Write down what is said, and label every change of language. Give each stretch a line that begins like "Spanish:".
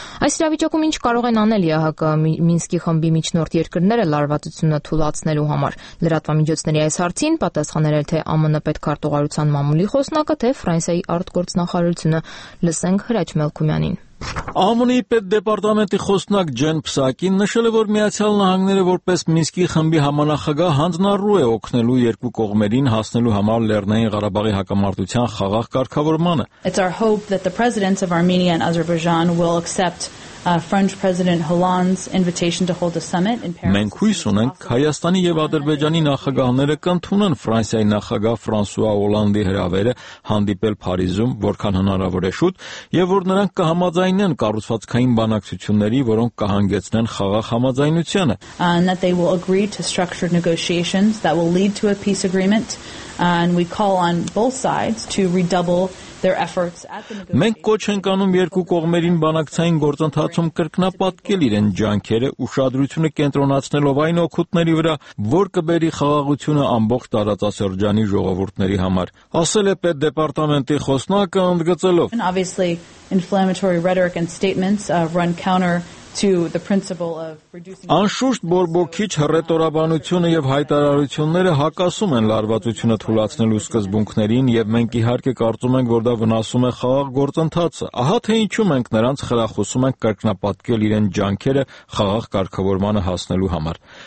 Armenian: Այս իրավիճակում ինչ կարող են անել ԵՀԿ Մինսկի խմբի միջնորդ երկրները լարվածությունը թույլատնելու համար։ Լրատվամիջոցների այս հարցին պատասխանել է թե ԱՄՆ պետքարտուղարության մամուլի խոսնակը, թե Ֆրանսիայի արտգործնախարարությունը։ Լսենք Հրաչ Մելքումյանին։ ԱՄՆ-ի պետդեպարտամենտի խոսնակ Ջեն Փսակին նշել է, որ Միացյալ Նահանգները որպես Մինսկի խմբի համանախագահ հանձնարարու է օգնելու երկու կողմերին հասնելու համար Լեռնային Ղարաբաղի հակամարտության խաղաղ կարգավորմանը։
English: It's our hope that the presidents of Armenia and Azerbaijan will accept French President Hollande's invitation to hold a summit in Paris.
Armenian: Մենք հույս ունենք, Հայաստանի եւ Ադրբեջանի նախագահները կընդունեն Ֆրանսիայի նախագահ Ֆրանսուա Օլանդի հրավերը հանդիպել Փարիզում, որքան հնարավոր է շուտ, եւ որ նրանք կհամաձայնեն կառուցվածքային բանակցությունների, որոնք կհանգեցնեն խաղաղ համաձայնությանը.
English: And that they will agree to structured negotiations that will lead to a peace agreement, and we call on both sides to redouble their efforts at the negotiations.
Armenian: Մենք կոչ ենք անում երկու կողմերին բանակցային գործընթացում կրկնապատկել իրեն ջանքերը, ուշադրությունը կենտրոնացնելով այն օգուտների վրա, որ կբերի խաղաղությունը ամբողջ տարածաշրջանի ժողովուրդների համար, ասել է պետ դեպարտամենտի խոսնակը ընդգծելով.
English: Obviously, inflammatory rhetoric and statements run counter to the principle of reducing
Armenian: Անշուշտ բորբոքիչ հռետորաբանությունը եւ հայտարարությունները հակասում են լարվածությունը թույլատնելու սկզբունքներին եւ մենք իհարկե կարծում ենք, որ դա վնասում է խաղաղ գործընթացը։ Ահա թե ինչու մենք նրանց խրախուսում ենք կրկնապատկել իրեն ջանքերը խաղաղ կարգավորմանը հասնելու համար։